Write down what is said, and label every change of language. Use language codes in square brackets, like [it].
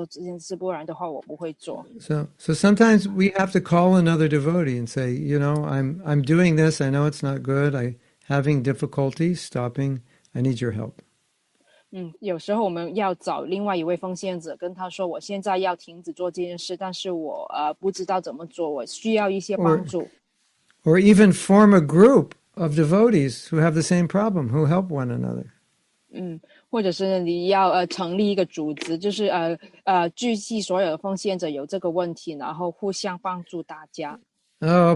[zh] 可能你会打电话给一个朋友跟他说，因为我太懒了，你可不可以去强迫我做这件事，不然的话我不会做。 [en] So sometimes we have to call another devotee and say, you know, I'm doing this, I know it's not good, I having difficulty stopping, I need your help. [zh] 有时候我们要找另外一位奉献者跟他说，我现在要停止做这件事，但是我不知道怎么做，我需要一些帮助。 [en] Or even form a group of devotees who have the same problem, who help one another. [zh] 或者是你要成立一个组织，就是聚集所有的奉献者有这个问题，然后互相帮助大家。 [en] Oh,